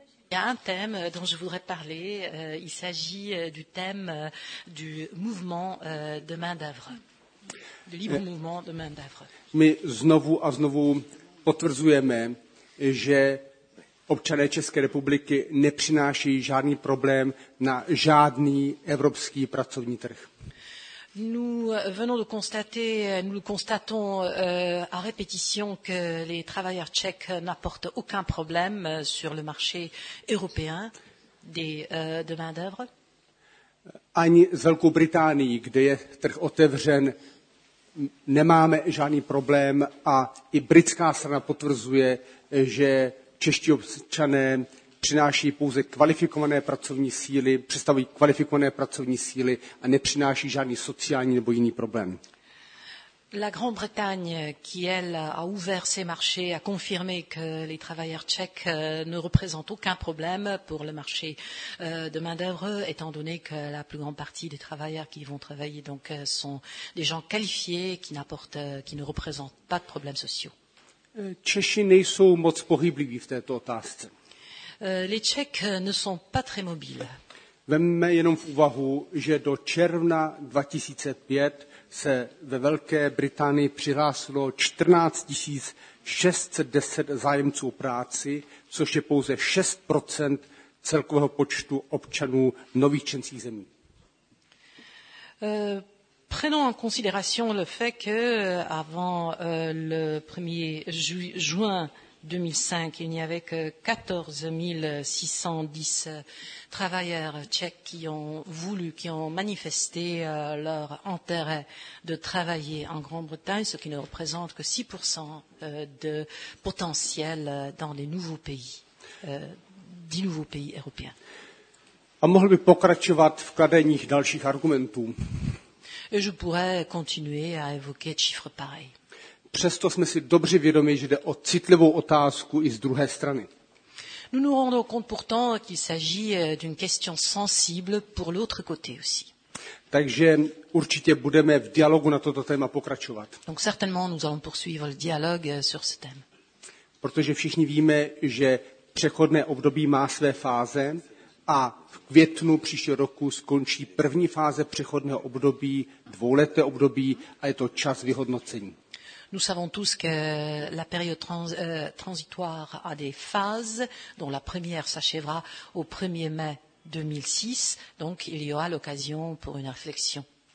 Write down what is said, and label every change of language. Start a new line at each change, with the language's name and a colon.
French: Il y a un thème dont je voudrais parler, il s'agit du thème du mouvement de main d'œuvre. Du libre mouvement de main d'œuvre.
Czech: My znovu a znovu potvrzujeme, že občané České republiky nepřináší žádný problém na žádný evropský pracovní trh.
French: Nous venons de constater, nous constatons à répétition que les travailleurs tchèques n'apportent aucun problème sur le marché européen des de main-d'œuvre.
Czech: Ani z Velkou Británii, kde je trh otevřen, nemáme žádný problém a i britská strana potvrzuje, že čeští občané přináší pouze kvalifikované pracovní síly, představují kvalifikované pracovní síly a nepřináší žádný sociální nebo jiný problém.
French: La Grande-Bretagne, qui elle a ouvert ses marchés, a confirmé que les travailleurs tchèques ne représentent aucun problème pour le marché de main-d'œuvre, étant donné que la plus grande partie des travailleurs qui vont travailler donc sont des gens qualifiés qui ne représentent pas de problèmes sociaux.
Czech: Češi nejsou moc pohybliví v této otázce.
French: Les Tchèques ne sont pas très mobiles.
Czech: Vemme jenom v úvahu, že do června 2005 se ve Velké Británii přihlásilo 14 610 zájemců o práci, což je pouze 6% celkového počtu občanů nových členských zemí.
French: Prenons en considération le fait que avant le 1er juin 2005, il n'y avait que 14 610 travailleurs tchèques qui ont manifesté leur intérêt de travailler en Grande-Bretagne, ce qui ne représente que 6% de potentiel dans les nouveaux pays, 10 nouveaux pays européens.
Czech: A mohl bych pokračovat v kladeních dalších argumentů.
French: Et je pourrais continuer à évoquer chiffres pareils.
Czech: Přesto jsme si dobře vědomi, že jde o citlivou otázku i z druhé strany.
French: Nous nous rendons compte pourtant qu'il s'agit d'une question sensible pour l'autre côté aussi.
Czech: Takže určitě budeme v dialogu na toto téma pokračovat.
French: Donc certainement nous allons poursuivre le dialogue sur ce thème.
Czech: Protože všichni víme, že přechodné období má své fáze a v květnu příštího roku skončí první fáze přechodného období, dvouleté období a je to čas vyhodnocení.
French: Nous savons tous que la période transitoire a des phases, dont la première s'achèvera au 1er mai 2006, donc il y aura l'occasion pour une réflexion.